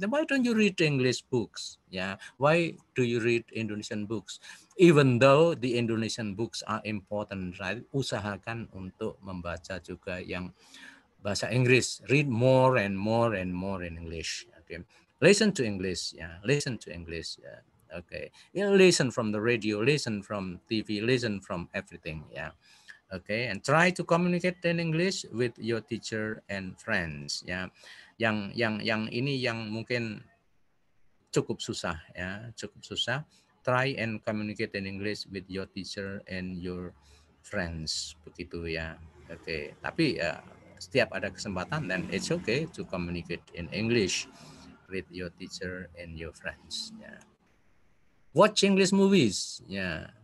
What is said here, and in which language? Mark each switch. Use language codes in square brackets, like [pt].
[en] Then why don't you read English books ya, why do you read Indonesian books, even though the Indonesian books are important, right? [id] Usahakan untuk membaca juga yang bahasa Inggris, [en] read more and more and more in English. Okay. Listen to English, ya. Listen to English, ya. Okay. Listen from the radio, listen from TV, listen from everything, ya. Okay. And try to communicate in English with your teacher and friends, ya. [id] Yang ini yang mungkin cukup susah, ya. Cukup susah. [en] Try and communicate in English with your teacher and your friends, begitu, ya. Okay. [id] Tapi setiap ada kesempatan, [en] then it's okay to communicate in English with your teacher and your friends. Yeah. Watch English movies. Yeah.